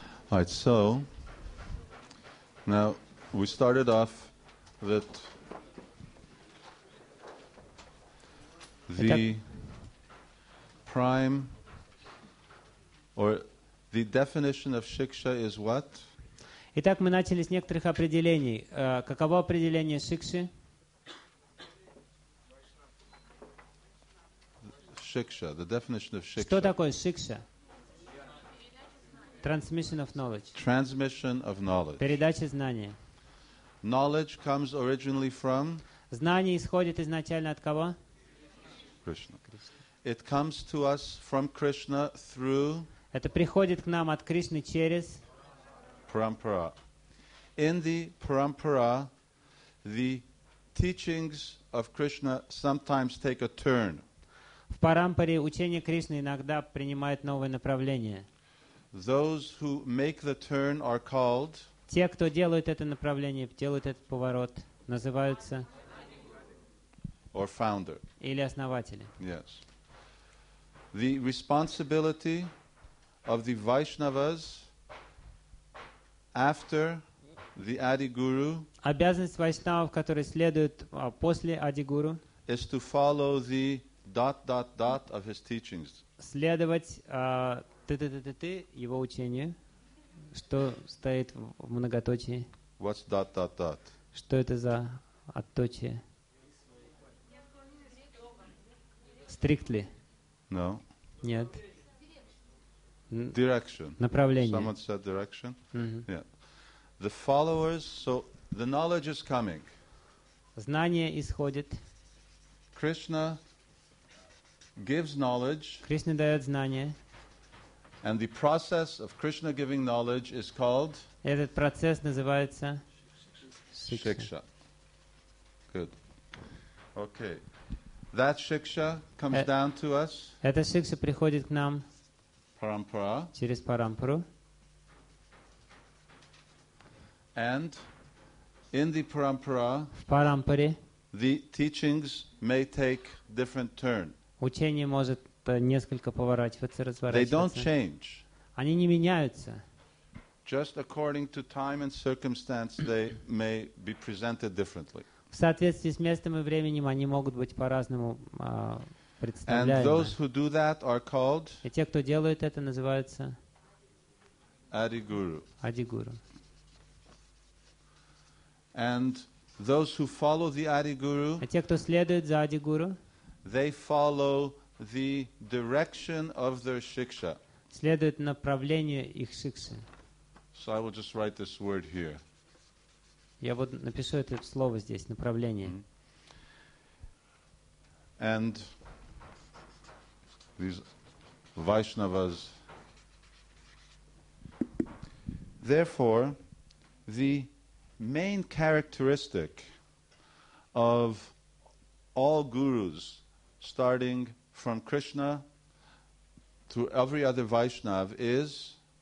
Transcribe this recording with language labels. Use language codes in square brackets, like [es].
[en] All right, so now we started off that the prime or the definition of shiksha is what? [ru] Итак, мы начали с некоторых определений. Каково определение шикши? [en] Shiksha, the definition of shiksha. [ru] Что такое шикша? [en] Transmission of knowledge. Transmission of knowledge. [ru] Передача знания. [en] Knowledge comes originally from? [ru] Знание исходит изначально от кого? [en] Krishna. It comes to us from Krishna through? [ru] Это приходит к нам от Кришны через? [en] Parampara. In the parampara, the teachings of Krishna sometimes take a turn. [ru] В парампаре учение Кришны иногда принимает новое направление. [en] Those who make the turn are called. [ru] Те, кто делают это направление, делают этот поворот, называются. [en] Or founder. [ru] Или основатели. [en] Yes. The responsibility of the Vaishnavas after the Adi Guru. [ru] Обязанность Вайшнавов, которые следуют после Ади Гуру. [en] Is to follow the dot dot dot of his teachings. [ru] Следовать. Его учение, что стоит в многоточии. [en] What's dot, dot, dot? [ru] Что это за отточие? [en] Strictly? No. [ru] Нет. [en] Direction. [ru] Направление. [en] Someone said direction? Mm-hmm. Yeah. The followers, so the knowledge is coming. [ru] Знание исходит. [en] Krishna gives knowledge. [ru] Кришна дает знание. [en] And the process of Krishna giving knowledge is called? [ru] Этот процесс называется? [en] Shiksha. Good. Okay. That shiksha comes down to us? [ru] Эта шикша приходит к нам? [en] Parampara. [ru] Через парампару. [en] And in the parampara, [ru] в парампаре, [en] the teachings may take different turn. [ru] Учение может несколько поворачиваться, разворачиваться. [en] They don't change. Они не меняются. Just according to time and circumstance, they may be presented differently. [ru] В соответствии с местом и временем они могут быть по-разному представлены. [en] And those who do that are called. [ru] И те, кто делают это, называются. [en] Adiguru. [ru] Adiguru. [en] And those who follow the Adiguru. [ru] А те, кто следует за Adiguru. [en] They follow. The direction of their shiksha. [ru] Следует направление их шикши. [en] So I will just write this word here. [ru] Я вот напишу это слово здесь, направление. [en] And these Vaishnavas. Therefore, the main characteristic of all gurus, starting from Krishna to every other Vaishnav is.